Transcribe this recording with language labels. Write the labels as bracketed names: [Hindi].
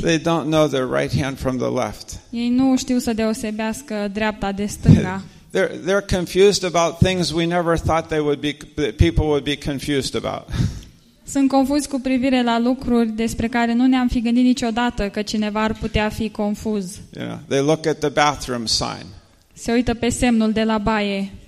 [English] They don't know their right hand from the left. [Romanian] Ei nu știu să deosebească dreapta de stânga. [English] They're confused about things we never thought they would be, that people would be confused about. [Romanian] Sunt confuz cu privire la lucruri despre care nu ne-am fi gândit niciodată că cineva ar putea fi confuz. [English] Yeah, they look at the bathroom sign. [Romanian] Se uită pe semnul de la baie.